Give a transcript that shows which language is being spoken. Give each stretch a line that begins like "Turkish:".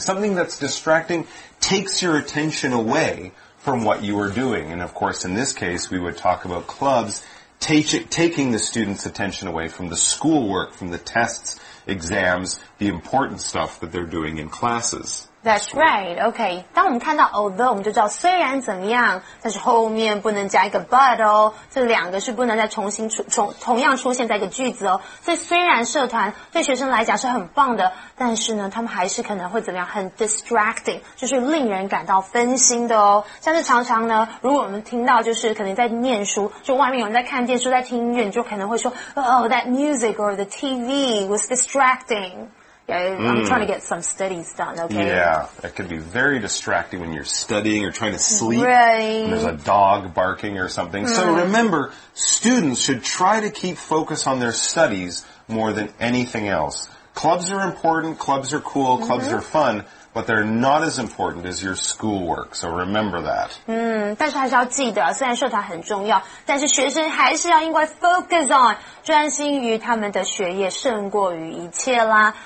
English: Something that's distracting takes your attention away from what you are doing. And of course, in this case, we would talk about clubs taking the students' attention away from the schoolwork, from the tests, exams, the important stuff that they're doing in classes. That's right, okay.
Chinese: 当我们看到 although, 我们就知道虽然怎么样但是后面不能加一个 but 哦这两个是不能再重新同样出现在一个句子哦。所以虽然社团对学生来讲是很棒的但是呢他们还是可能会怎么样很 distracting, 就是令人感到分心的哦。像是常常呢如果我们听到就是可能在念书就外面有人在看电视在听音乐就可能会说
English: oh, that music or the TV was distracting. Yeah, I'm trying to get some studies done, okay? Yeah, it can be very distracting when you're studying or trying to sleep. Right. There's a dog barking or something. So remember, students should try to keep focus on their studies more than anything else. Clubs are important, clubs are cool, clubs are fun. But they're not as important as your schoolwork, so remember that.
Chinese: 但是还是要记得，虽然社团很重要，但是学生还是要应该
English: focus on,
Chinese: 专心于他们的学业胜过于一切啦。